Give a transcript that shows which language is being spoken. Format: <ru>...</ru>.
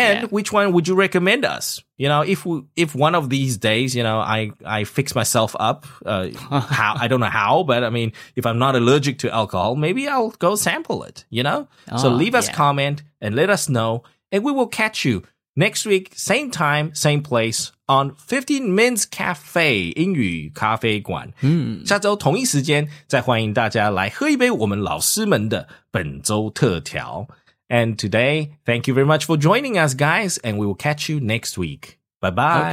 <en>Which one would you recommend us? You know, if one of these days, you know, I fix myself up, how I don't know how, but I mean, if I'm not allergic to alcohol, maybe I'll go sample it, you know? So leave us comment and let us know and we will catch you next week, same time, same place, on 15Mins Cafe, 英语咖啡馆.</en> <zh>下周同一时间,再欢迎大家来喝一杯我们老师们的本周特调.</zh> <en>And today, thank you very much for joining us, guys, and we will catch you next week. Bye-bye.</en>